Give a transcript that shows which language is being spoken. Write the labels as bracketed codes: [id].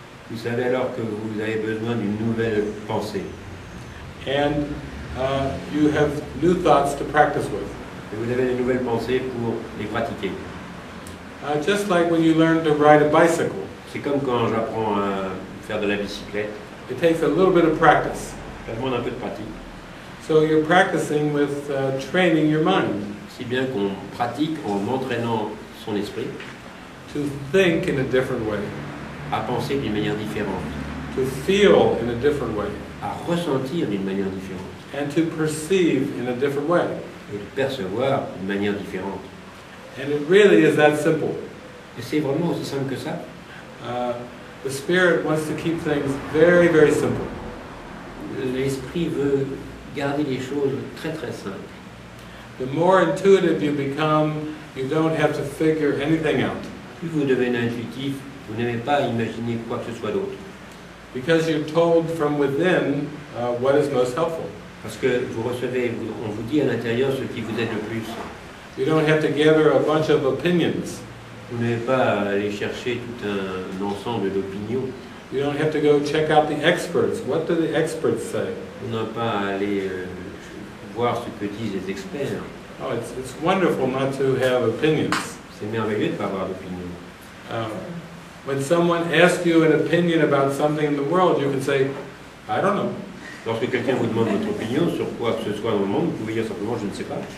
[fr] Vous savez alors que vous avez besoin d'une nouvelle pensée. [en] And you have new thoughts to practice with. [fr] Et vous avez des nouvelles pensées pour les pratiquer. [en] Just like when you learn to ride a bicycle. [fr] C'est comme quand j'apprends à faire de la bicyclette. [en] It takes a little bit of practice. [fr] Ça demande un peu de pratique. [en] So you're practicing with training your mind. [fr] Si bien qu'on pratique en entraînant son esprit. [en] To think in a different way. [fr] À penser d'une manière différente. [en] To feel in a different way. [fr] À ressentir d'une manière différente. [en] And to perceive in a different way. [fr] Et de percevoir d'une manière différente. [en] And it really is that simple. [fr] Et c'est vraiment aussi simple que ça. [en] The spirit wants to keep things very, very simple. [fr] L'esprit veut garder les choses très, très simples. [en] The more intuitive you become, you don't have to figure anything out. [fr] Plus vous devenez intuitif, vous n'avez pas à imaginer quoi que ce soit d'autre. [en] Because you're told from within what is most helpful. [fr] Parce que vous recevez, on vous dit à l'intérieur ce qui vous aide le plus. [en] You don't have to gather a bunch of opinions. [fr] Vous n'avez pas à aller chercher tout un ensemble d'opinions. [en] You don't have to go check out the experts. What do the experts say? [fr] Vous n'avez pas à aller voir ce que disent les experts. [en] Oh, it's wonderful not to have opinions. [fr] C'est merveilleux de pas avoir d'opinion. [en] When someone asks you an opinion about something in the world, you can say, I don't know. [fr] Lorsque quelqu'un vous demande votre opinion sur quoi que ce soit dans le monde, vous pouvez dire simplement, je ne sais pas.